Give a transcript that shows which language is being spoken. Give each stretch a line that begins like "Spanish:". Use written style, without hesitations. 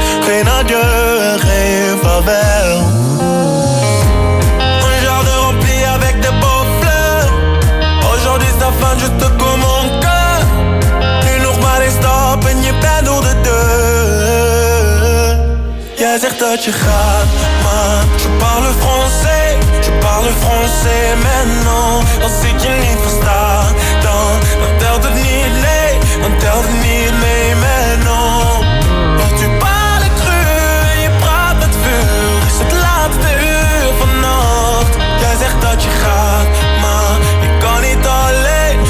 Dutch: Geen adieu, geen vaarwel.
French: Un jour de rempli avec des beaux fleurs. Aujourd'hui c'est la fin, je te coupe mon cœur. Nu nog maar een stap en je bent door de deur.
Dutch: Jij zegt dat je gaat, maar
French: je parle français. Je parle français, mais non.
Dutch: Als ik je niet versta, dan telt het niet, nee, dan telt het niet mee,
French: mais non.
Dutch: Want
French: tu parles cru
Dutch: en je praat met vuur. Is het laatste uur vannacht? Jij zegt dat je gaat, maar je kan niet alleen.